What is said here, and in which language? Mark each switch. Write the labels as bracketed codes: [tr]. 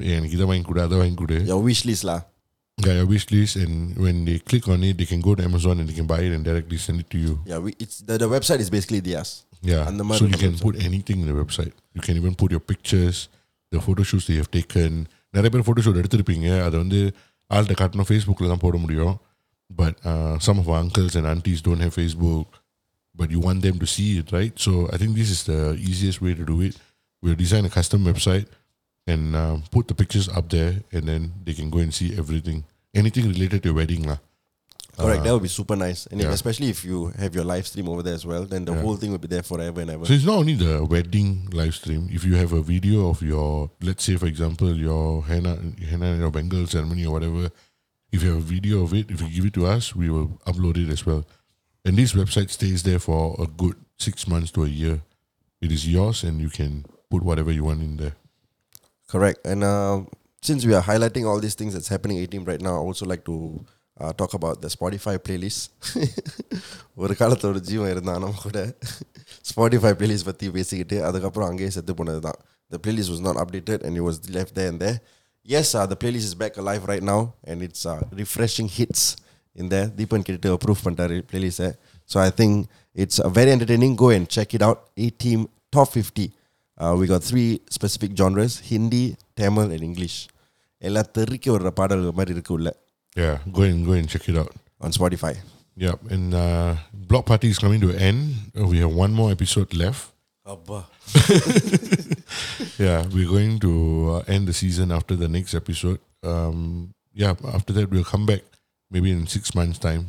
[en] your wish list lah. Yeah, your wish list. And when they click on it, they can go to Amazon and they can buy it and directly send it to you. Yeah, the website is basically theirs. Yeah, so you can put anything in the website. You can even put your pictures, the photo shoots that you have taken. [ta] நிறைய பேர் photo shoot எடுத்திருப்பீங்க. அதை வந்து ஆள்கிட்ட காட்டணும், ஃபேஸ்புக்கில் தான் போட முடியும். [en] But some of uncles and aunties don't have Facebook, but you want them to see it, right? So I think this is the easiest way to do it. We design a custom website and put the pictures up there, and then they can go and see everything, anything related to வெட்டிங்லாம். Correct, that would be super nice. And especially if you have your live stream over there as well, then the whole thing would be there forever and ever. So it's not only the wedding live stream. If you have a video of your, let's say for example, your henna and your bengal ceremony or whatever, if you have a video of it, if you give it to us, we will upload it as well. And this website stays there for a good 6 months to a year. It is yours and you can put whatever you want in there. Correct. And since we are highlighting all these things that's happening 18 right now, I also like to... talk about the Spotify playlist. [ta] ஒரு காலத்தில் ஒரு ஜீவம் இருந்தாலும் கூட Spotify playlist பற்றி பேசிக்கிட்டு அதுக்கப்புறம் அங்கேயே செத்து போனது தான். த playlist was not updated and you was left there and there. [en] Yes the playlist is back a life right now and it's refreshing hits இந்த தீபன் கிட்டே approve பண்ணிட்டார் ப்ளேலிஸ்ட்டை. So I think it's a very entertaining. Go and check it out. ஏடீம் top 50. We go 3 specific genres, Hindi, Tamil and English. [ta] எல்லா தெருக்கி வர்ற பாடல்கள் மாதிரி இருக்கு உள்ள. [en] Yeah, go and check it out. On Spotify. Yep, and Block Party is coming to an end. We have one more episode left. Abba. Yeah, we're going to end the season after the next episode. After that, we'll come back maybe in 6 months' time.